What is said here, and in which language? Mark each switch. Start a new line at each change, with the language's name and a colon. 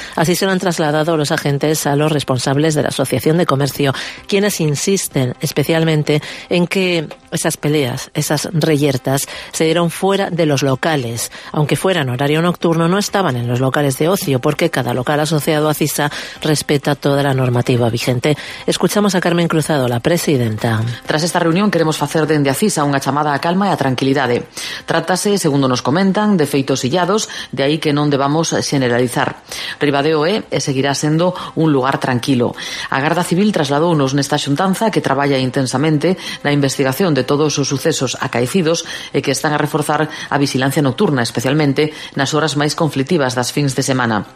Spanish: Así se lo han trasladado los agentes a los responsables de la Asociación de Comercio, quienes insisten especialmente en que esas peleas, esas reyertas, se dieron fuera de los locales. Aunque fueran horario nocturno, no estaban en los locales de ocio, porque cada local asociado a CISA respeta toda la normativa vigente. Escuchamos a Carmen Cruzado, la presidenta.
Galician: Tras esta reunión queremos facer dende a CISA unha chamada a calma e a tranquilidade. Trátase, segundo nos comentan, de feitos illados, de aí que non debamos xeneralizar. Ribadeo é e seguirá sendo un lugar tranquilo. A Garda Civil trasladounos nesta xuntanza, que traballa intensamente na investigación de todos os sucesos acaecidos e que están a reforzar a vixilancia nocturna, especialmente nas horas máis conflictivas das fins de semana.